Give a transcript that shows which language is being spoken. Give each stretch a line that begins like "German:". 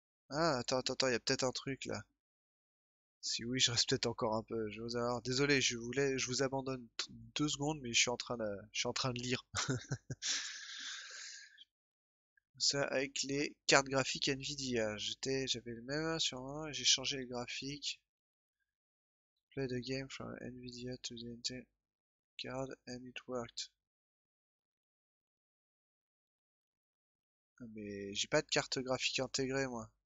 French: Ah, attends, il y a peut-être un truc là. Si oui, je reste peut-être encore un peu. Je vous avoir... Désolé, je vous abandonne 2 secondes, mais je suis en train de lire. Ça avec les cartes graphiques Nvidia. J'avais le même sur un, j'ai changé les graphiques.
English: Play the game from Nvidia to the Intel card and it worked.
French: Mais j'ai pas de carte graphique intégrée moi.